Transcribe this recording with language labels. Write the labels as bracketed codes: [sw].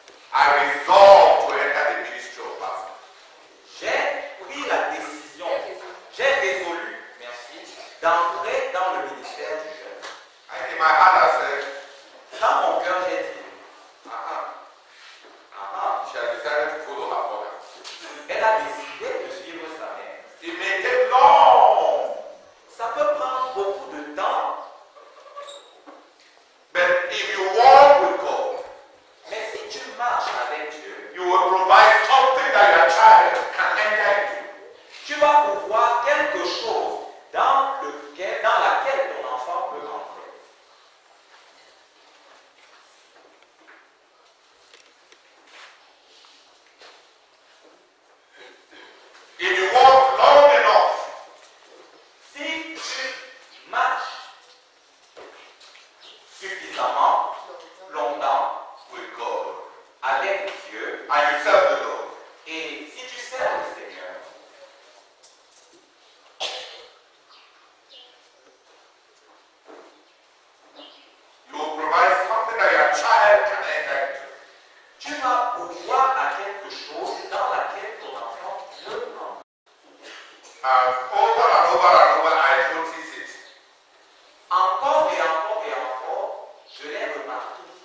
[en] I resolved to enter the ministry of fasting. [fr] J'ai pris la décision, j'ai résolu, merci, d'entrer dans le ministère du jeûne. [en] And in my heart I said, [fr] dans mon cœur j'ai dit, [en] she has decided to follow her mother. [fr] Elle a décidé de suivre sa mère. [en] It may take long. [fr] Ça peut prendre beaucoup de temps. [en] But if you walk with God, [fr] mais si tu marches avec Dieu, [en] you will provide something that your child can enter into. [fr] Tu vas pouvoir quelque chose dans lequel, dans laquelle ton enfant peut entrer. [en] If you walk long enough, [fr] si tu marches suffisamment longtemps [en] with God, [fr] avec Dieu, [en] and you serve the Lord, [fr] et si tu sers le Seigneur, [en] you will provide something that your child can enter into. [fr] Tu vas pouvoir à quelque chose dans laquelle ton enfant peut. [en] Over and over and over, I notice it. [fr] Encore et encore et encore, je l'ai remarqué.